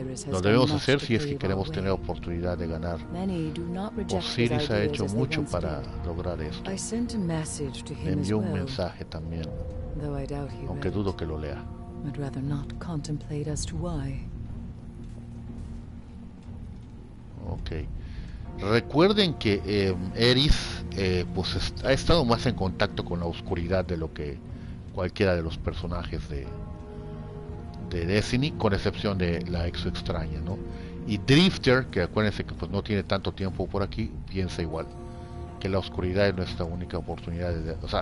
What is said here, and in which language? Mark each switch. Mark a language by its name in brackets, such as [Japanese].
[Spanish] Lo debemos hacer si es que queremos tener oportunidad de ganar. Osiris ha hecho mucho para lograr esto. Me envió un mensaje también, aunque dudo que lo lea. [English] I'd rather not contemplate as to why. Okay. [Spanish] Recuerden que Eris pues ha estado más en contacto con la oscuridad de lo que cualquiera de los personajes de Destiny, con excepción de la ex extraña, ¿no? Y Drifter, que acuérdense que pues no tiene tanto tiempo por aquí, piensa igual, que la oscuridad es nuestra única oportunidad de, o sea,